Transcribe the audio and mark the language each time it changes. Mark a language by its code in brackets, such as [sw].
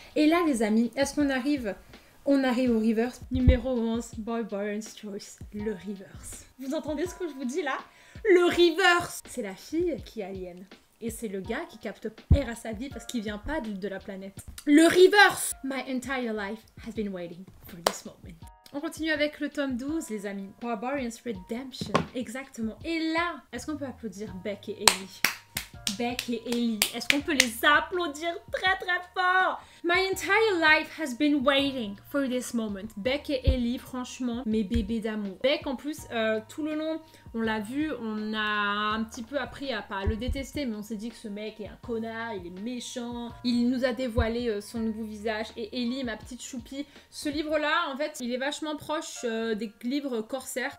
[fr] Et là les amis, est-ce qu'on arrive? On arrive au reverse. Numéro 11, Barbarian's Choice, le reverse. Vous entendez ce que je vous dis là? Le reverse! C'est la fille qui est alien. Et c'est le gars qui capte père à sa vie parce qu'il vient pas de la planète. Le reverse! [en] My entire life has been waiting for this moment. [fr] On continue avec le tome 12, les amis. Barbarian's Redemption, exactement. Et là, est-ce qu'on peut applaudir Beck et Ellie? Beck et Ellie, est-ce qu'on peut les applaudir très très fort? [en] My entire life has been waiting for this moment. [fr] Beck et Ellie, franchement, mes bébés d'amour. Beck, en plus, tout le long, on l'a vu, on a un petit peu appris à pas le détester, mais on s'est dit que ce mec est un connard, il est méchant, il nous a dévoilé son nouveau visage. Et Ellie, ma petite choupie, ce livre-là, en fait, il est vachement proche des livres Corsair.